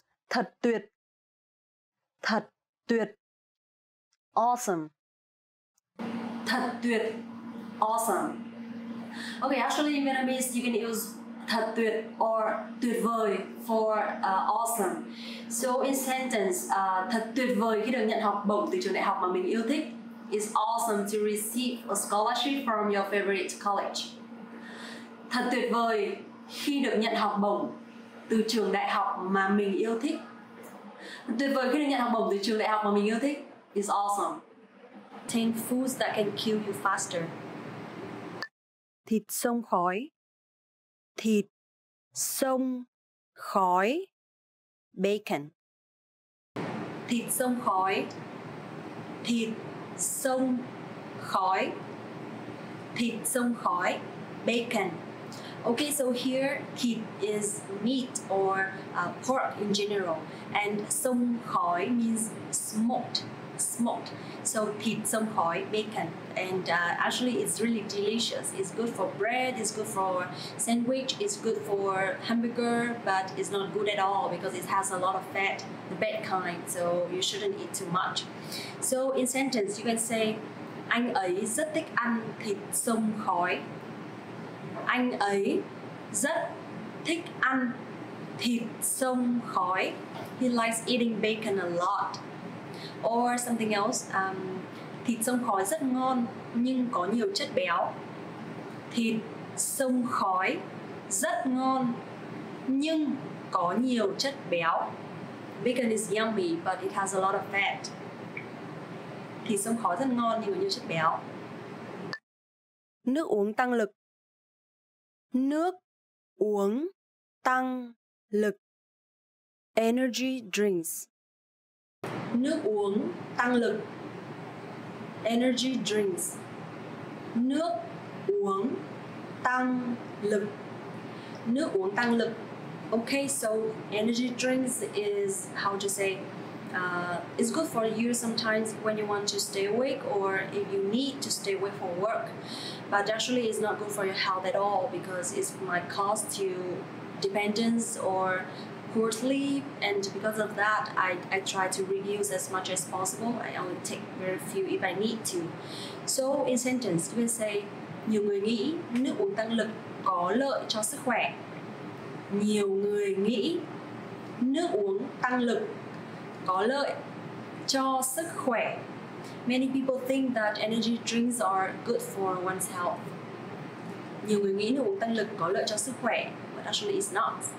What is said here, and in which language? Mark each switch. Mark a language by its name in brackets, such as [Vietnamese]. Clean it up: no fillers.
[Vietnamese] Thật tuyệt. Thật tuyệt. Awesome. [English] Thật tuyệt. Awesome. Okay, actually in Vietnamese you can use thật tuyệt or tuyệt vời for awesome. So in sentence, [Vietnamese] thật tuyệt vời khi được nhận học bổng từ trường đại học mà mình yêu thích. [English] It's awesome to receive a scholarship from your favorite college. [Vietnamese] Thật tuyệt vời khi được nhận học bổng từ trường đại học mà mình yêu thích. Thật tuyệt vời khi được nhận học bổng từ trường đại học mà mình yêu thích. [English] It's awesome. Ten foods that can kill you faster. [Vietnamese] Thịt xông khói. Thịt xông khói. Bacon. Thịt xông khói. Thịt xông khói. [English] Thịt xông khói. Bacon. Okay, so here thịt is meat or pork in general, and xông khói means smoked. Smoked. So thịt xông khói, bacon. And actually it's really delicious. It's good for bread, it's good for sandwich, it's good for hamburger, but it's not good at all because it has a lot of fat, the bad kind, so you shouldn't eat too much. So in sentence you can say, [Vietnamese] anh ấy rất thích ăn thịt xông khói. Anh ấy rất thích ăn thịt xông khói. [English] He likes eating bacon a lot. Or something else, [Vietnamese] thịt xông khói rất ngon nhưng có nhiều chất béo. Thịt xông khói rất ngon nhưng có nhiều chất béo. [English] Bacon is yummy but it has a lot of fat. [Vietnamese] Thịt xông khói rất ngon nhưng có nhiều chất béo. Nước uống tăng lực. Nước uống tăng lực. [English] Energy drinks. [Vietnamese] Nước uống tăng lực. Energy drinks. Nước uống tăng lực. Nước uống tăng lực. [English] Okay, so energy drinks is how to say it's good for you sometimes when you want to stay awake or if you need to stay awake for work. But actually it's not good for your health at all because it might cause you dependence or poor sleep, and because of that I try to reduce as much as possible. I only take very few if I need to. So in sentence you can say, [Vietnamese] nhiều người nghĩ nước uống tăng lực có lợi cho sức khỏe. nhiều người nghĩ nước uống tăng lực có lợi cho sức khỏe. [English] Many people think that energy drinks are good for one's health. [Vietnamese] Nhiều người nghĩ nước uống tăng lực có lợi cho sức khỏe, [English] but actually it's not.